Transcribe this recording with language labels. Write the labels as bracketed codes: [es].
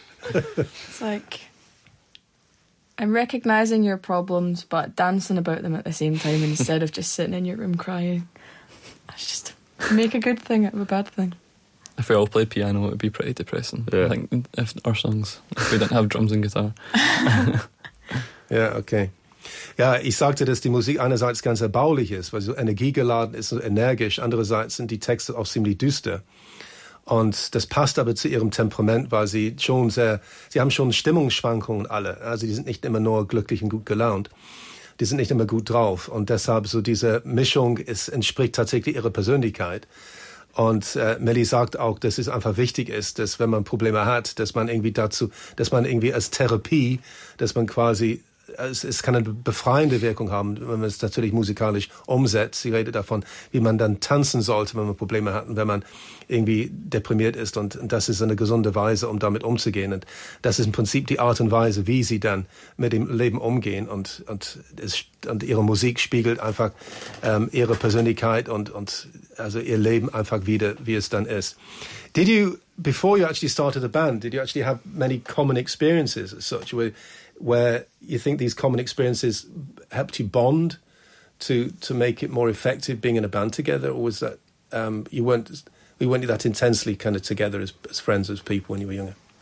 [en] It's like, I'm recognising your problems, but dancing about them at the same time instead of just sitting in your room crying. I just make a good thing out of a bad thing. If we all played piano, it would be pretty depressing. Yeah. Like, if we didn't have drums and guitar. Yeah, okay. [de] Ja, ich sagte, dass die Musik einerseits ganz erbaulich ist, weil sie so energiegeladen ist und energisch, andererseits sind die Texte auch ziemlich düster. Und das passt aber zu ihrem Temperament, weil sie schon sehr, sie haben schon Stimmungsschwankungen alle. Also die sind nicht immer nur glücklich und gut gelaunt. Die sind nicht immer gut drauf. Und deshalb so diese Mischung entspricht tatsächlich ihrer Persönlichkeit. Und Millie sagt auch, dass es einfach wichtig ist, dass wenn man Probleme hat, dass man irgendwie dazu, dass man irgendwie als Therapie, dass man quasi es kann eine befreiende Wirkung haben, wenn man es natürlich musikalisch umsetzt. Sie redet davon, wie man dann tanzen sollte, wenn man Probleme hat und wenn man irgendwie deprimiert ist. Und das ist eine gesunde Weise, um damit umzugehen. Und das ist im Prinzip die Art und Weise, wie sie dann mit dem Leben umgehen. Und ihre Musik spiegelt einfach ihre Persönlichkeit und also ihr Leben einfach wieder, wie es dann ist. [en] Did you, before you actually started the band, did you actually have many common experiences as such where you think these common experiences helped you bond to make it more effective being in a band together? Or was that, we weren't that intensely kind of together as friends, as people when you were younger?